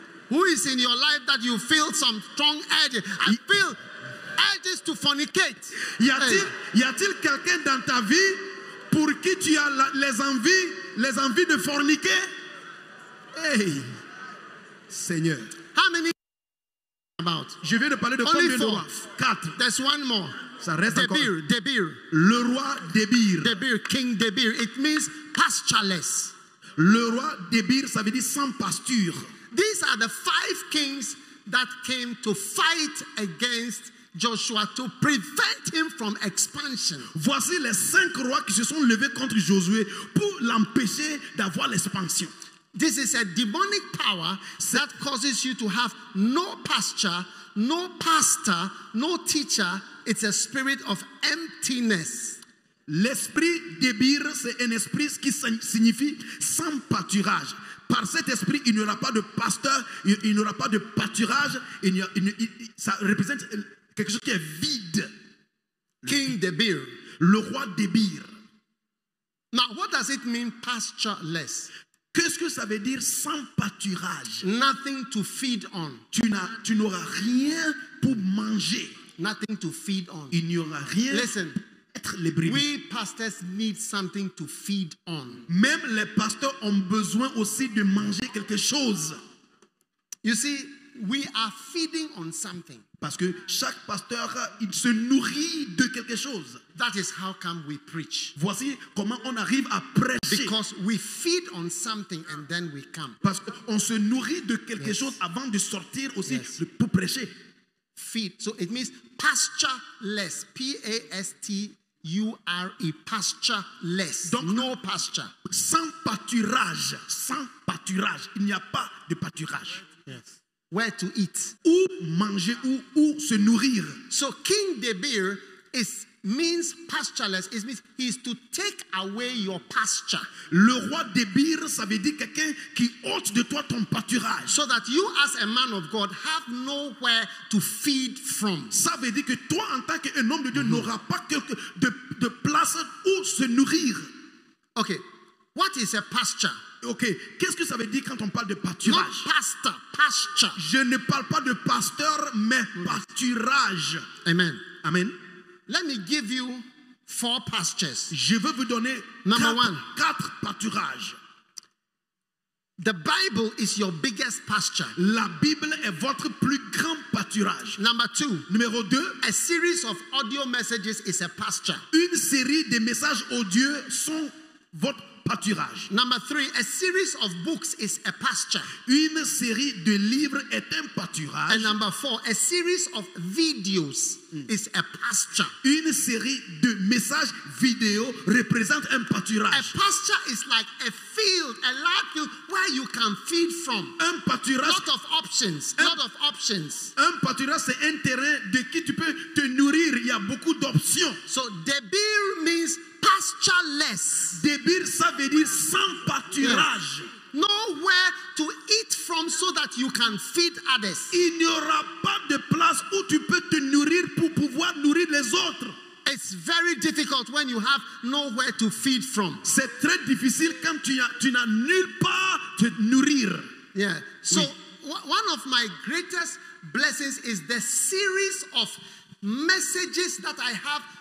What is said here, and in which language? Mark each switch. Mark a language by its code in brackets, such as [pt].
[en] Who is in your life that you feel some strong edges? I feel edges to fornicate. [fr] Y a-t-il quelqu'un dans ta vie pour qui tu as les envies de forniquer? Hey, Seigneur. [en] How many about? [fr] Je viens de parler de [en] only [fr] combien [en] four. [fr] De rois? Quatre. [en] There's one more. [fr] Ça reste Debir, encore. Debir. Le roi Debir. [en] Debir, King Debir. It means pastureless. [fr] Le roi Debir, ça veut dire sans pasture. [en] These are the five kings that came to fight against Joshua to prevent him from expansion. [fr] Voici les cinq rois qui se sont levés contre Josué pour l'empêcher d'avoir l'expansion. [en] This is a demonic power that causes you to have no pasture, no pastor, no teacher. It's a spirit of emptiness. [fr] L'esprit débir, c'est un esprit qui signifie sans pâturage. Par cet esprit, il n'y aura pas de pasteur, il n'y aura pas de pâturage. Ça représente quelque chose qui est vide. [en] King Debir. [fr] Le roi débir. [en] Now, what does it mean, pastureless? [fr] Qu'est-ce que ça veut dire sans pâturage? [en] Nothing to feed on. [fr] Tu n'auras rien pour manger. [en] Nothing to feed on. [fr] Il n'y aura rien. [en] Listen. We pastors need something to feed on. [fr] Même les pasteurs ont besoin aussi de manger quelque chose. [en] You see, we are feeding on something. [fr] Parce que chaque pasteur, il se nourrit de quelque chose. [en] That is how come we preach. [fr] Voici comment on arrive à prêcher. [en] Because we feed on something and then we come. [fr] Parce qu'on se nourrit de quelque yes. chose avant de sortir aussi yes. pour prêcher. [en] Feed. So it means pastureless. P-A-S-T-U-R-E. Pastureless. [fr] Donc, [en] no pasture. [fr] Sans pâturage. Sans pâturage. Il n'y a pas de pâturage. [en] Yes. Where to eat? [fr] Où manger? Où se nourrir? [en] So King Debir is means pastureless. It means he is to take away your pasture. [fr] Le roi Debir, ça veut dire quelqu'un qui ôte de toi ton pâturage. [en] So that you, as a man of God, have nowhere to feed from. [fr] Ça veut dire que toi, en tant qu'un homme de Dieu, mm-hmm. n'auras pas quelque de place où se nourrir. [en] Okay, what is a pasture? [fr] Ok, qu'est-ce que ça veut dire quand on parle de pâturage? [en] Non, pasteur, pasture. [fr] Je ne parle pas de pasteur, mais pâturage. [en] Amen. Amen. Let me give you four pastures. [fr] Je veux vous donner quatre pâturages. [en] The Bible is your biggest pasture. [fr] La Bible est votre plus grand pâturage. [en] Number two. [fr] Numéro deux. [en] A series of audio messages is a pasture. [fr] Une série de messages audio sont votre pâturage. [en] Number three, a series of books is a pasture. [fr] Une série de livres est un pâturage. [en] And number four, a series of videos is a pasture. [fr] Une série de messages vidéo représente un pâturage. [en] A pasture is like a field, a large field where you can feed from. [fr] Un pâturage. [en] Lot of options. [fr] Un pâturage, c'est un terrain de qui tu peux te nourrir. Il y a beaucoup d'options. [en] So debir means pasture-less. [fr] Debir, ça veut dire sans pâturage. Yes. [en] Nowhere to eat from so that you can feed others. [fr] Il n'y aura pas de place où tu peux te nourrir pour pouvoir nourrir les autres. [en] It's very difficult when you have nowhere to feed from. [fr] C'est très difficile quand tu n'as nulle part te nourrir. [en] Yeah. So, oui. One of my greatest blessings is the series of messages that I have.